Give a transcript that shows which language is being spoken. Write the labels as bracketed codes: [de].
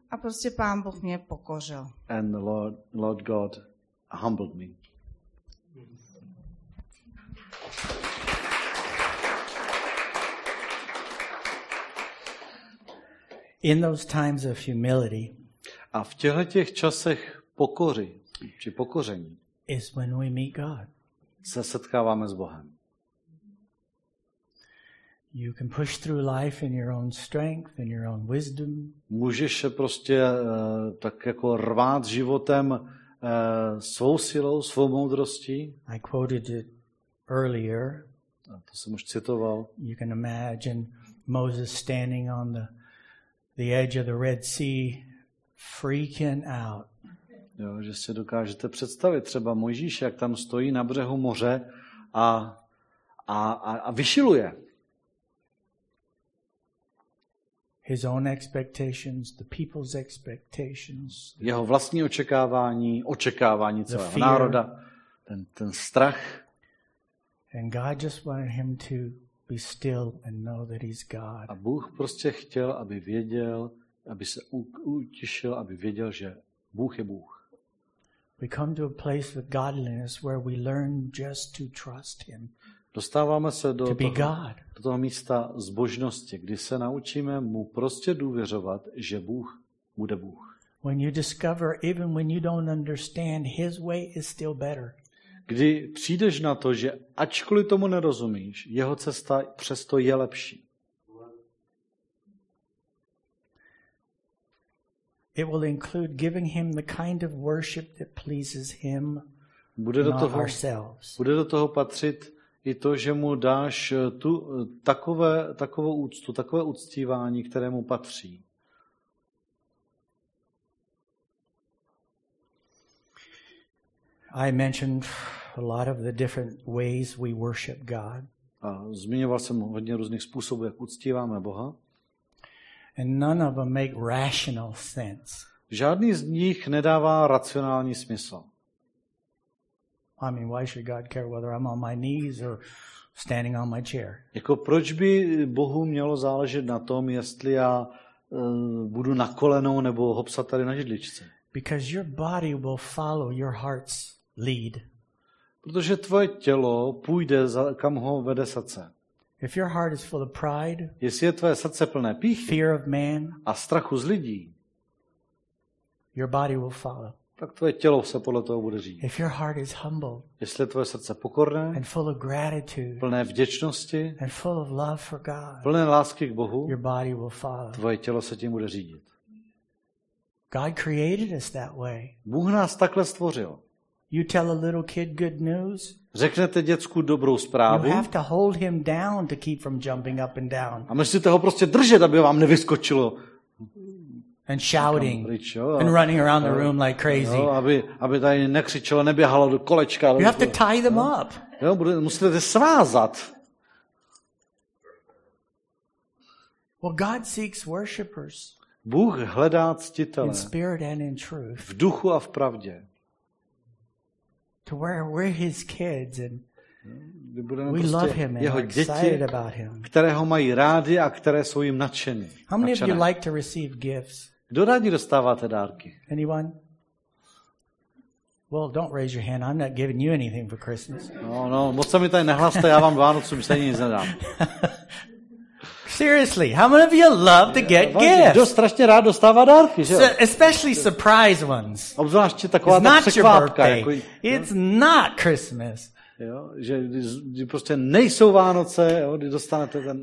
[cs] A prostě Pán Bůh mě pokořil. [en] And the Lord God humbled me. In those times of humility, [cs] a v těch časech pokory či pokoření, [en] is when we meet God. [cs] Se setkáváme s Bohem. [en] You can push through life in your own strength, in your own wisdom. [cs] Můžeš se prostě tak jako rvát životem svou silou, svou moudrostí. [en] I quoted it earlier. [cs] A to jsem už citoval. [en] You can imagine Moses standing on the edge of the Red Sea, freaking out. [cs] Jo, že si dokážete představit třeba Mojžíš, jak tam stojí na břehu moře a vyšiluje. [en] His own expectations, the people's expectations. [cs] Jeho vlastní očekávání celého národa, ten strach. [en] And God just wanted him to be still and know that he's God. [cs] A Bůh prostě chtěl, aby věděl, aby se utišil, aby věděl, že Bůh je Bůh. [en] We come to a place with godliness where we learn just to trust him. [cs] Dostáváme se do toho místa zbožnosti, kdy se naučíme mu prostě důvěřovat, že Bůh bude Bůh. [en] When you discover even when you don't understand, his way is still better. [cs] Kdy přijdeš na to, že ačkoliv tomu nerozumíš, jeho cesta přesto je lepší. [en] It will include giving him the kind of worship that pleases him. [cs] Bude do toho patřit i to, že mu dáš tu takovou úctu, takové uctívání, které mu patří. [en] I mentioned a lot of the different ways we worship God. [cs] A zmiňoval jsem hodně různých způsobů, jak uctíváme Boha. [en] And none of them make rational sense. [cs] Žádný z nich nedává racionální smysl. [en] I mean, why should God care whether I'm on my knees or standing on my chair? [cs] Jako proč by Bohu mělo záležet na tom, jestli já budu na kolenou nebo hopsat tady na židličce? [en] Because your body will follow your heart's lead. [cs] Protože tvoje tělo půjde za, kam ho vede srdce. [en] If your heart is full of pride, [cs] jestli je tvoje srdce plné píchy, [en] fear of man, [cs] a strachu z lidí, [en] your body will follow. [cs] Tak tvoje tělo se podle toho bude řídit. [en] If your heart is humble, [cs] jestli je tvoje srdce pokorné, [en] and full of gratitude, [cs] plné vděčnosti, [en] and full of love for God, [cs] plné lásky k Bohu, [en] your body will follow. [cs] Tvoje tělo se tím bude řídit. [en] God created us that way. [cs] Bůh nás takhle stvořil. [en] You tell a little kid good news. [cs] Řeknete děcku dobrou zprávu. [en] You have to hold him down to keep from jumping up and down. [cs] A musíte ho prostě držet, aby vám nevyskočilo. [en] And shouting [cs] pryč, jo, [en] and running around the room like crazy. [cs] Jo, aby tady nekřičelo, neběhalo do kolečka. [en] You have to tie them up. [cs] Jo, musíte je svázat. [en] Well, God seeks worshipers. [cs] Bůh hledá ctitele. [en] In spirit and in truth. [cs] V duchu a v pravdě. [en] To where we're his kids and we [cs] prostě [en] love him and [cs] jeho děti, [en] excited about him. [cs] Které ho mají rádi a které jsou jim nadšeny. [en] How many of you like to receive gifts? [cs] Kdo rádi dostáváte dárky? [en] Anyone? Well, don't raise your hand. I'm not giving you anything for Christmas. [cs] No, moc se mi tady nehlaste, já vám Vánocům se nic nedám. [en] Seriously, how many of you love to get gifts? [cs] Kdo strašně rád dostává dárky, že? [en] Especially surprise ones. [cs] Obzvláště taková ta překvapka. Jako, [en] it's not Christmas. [cs] Jo, že prostě nejsou Vánoce, jo, kdy dostanete ten.